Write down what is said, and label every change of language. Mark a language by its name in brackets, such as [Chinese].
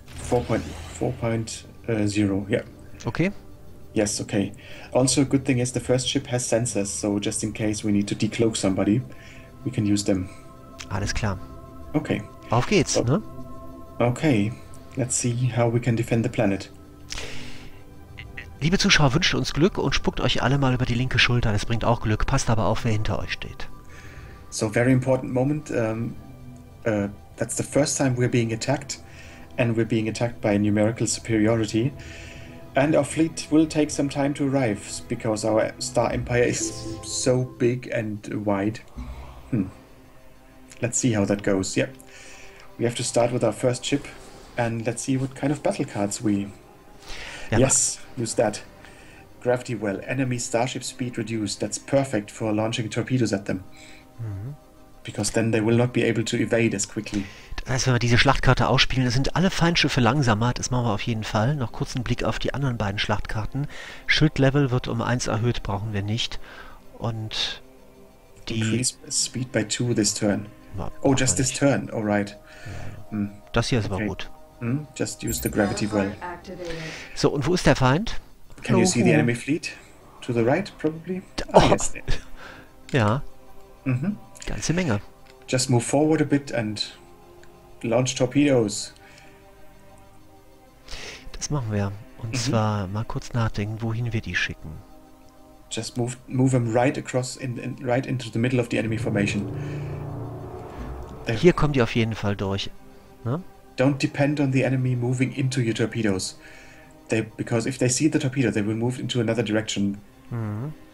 [English] 4.0, yeah. Okay. Yes, okay. Also, good thing is the first ship has sensors, so just in case we need to decloak somebody, we can use them. [German] Alles klar. Okay. Auf geht's, ne? [English] Okay, let's see how we can defend the planet. [German] Liebe Zuschauer, wünscht uns Glück und spuckt euch alle mal über die linke Schulter. Es bringt auch Glück. Passt aber auf, wer hinter euch steht. [English] So, very important moment. That's the first time we're being attacked. And we're being attacked by numerical superiority. And our fleet will take some time to arrive, because our Star Empire is so big and wide. Let's see how that goes. Yep. We have to start with our first ship. And let's see what kind of battle cards we... Ja. Yes, use that. Gravity well. Enemy starship speed reduced. That's perfect for launching torpedoes at them. Mhm. Because then they will not be able to evade as quickly. [German] Das heißt, wenn wir diese Schlachtkarte ausspielen, das sind alle Feindschiffe langsamer. Das machen wir auf jeden Fall. Noch kurz einen Blick auf die anderen beiden Schlachtkarten. Schildlevel wird um 1 erhöht, brauchen wir nicht. Und die... [English] Increase speed by 2 this turn. Oh, just this turn. All right. [German] Ja. Mhm. Das hier ist okay. Aber gut. [English] Just use the gravity well. [German] So, und wo ist der Feind? [English] Can you see the enemy fleet? To the right, probably? Oh, yes. [German] Ja. Mm-hmm. Ganze Menge. [English] Just move forward a bit and launch torpedoes. [German] Das machen wir. Und zwar mal kurz nachdenken, wohin wir die schicken. [English] Just move them right across, right into the middle of the enemy formation. [German] Hier kommen die auf jeden Fall durch. Ne? [English] Don't depend on the enemy moving into your torpedoes. Because if they see the torpedo, they will move into another direction. Mhm.